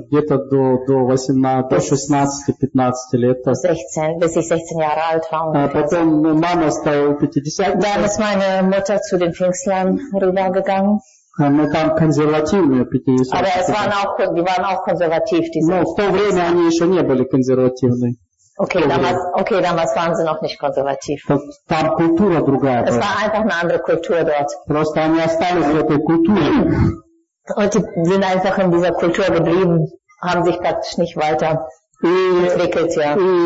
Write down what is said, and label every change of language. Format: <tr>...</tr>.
<ru>Где-то до 16-15 лет.</ru> <de>16, bis ich 16 Jahre alt war.</de> <ru>Потом мама стала 50.</ru> <de>Dann ist meine Mutter zu den Pfingstlern rübergegangen.</de> <ru>Но там консервативные 50.</ru> <de>Aber es waren auch, die waren auch konservativ, diese.</de> <ru>Но в то время они еще не были консервативны.</ru> <de>Okay, damals waren sie noch nicht konservativ.</de> <ru>Там культура другая.</ru> <de>Es war einfach eine andere Kultur dort.</de> <ru>Просто они остались в этой культуре.</ru> <de>Und die sind einfach in dieser Kultur geblieben, haben sich praktisch nicht weiter entwickelt, ja.</de>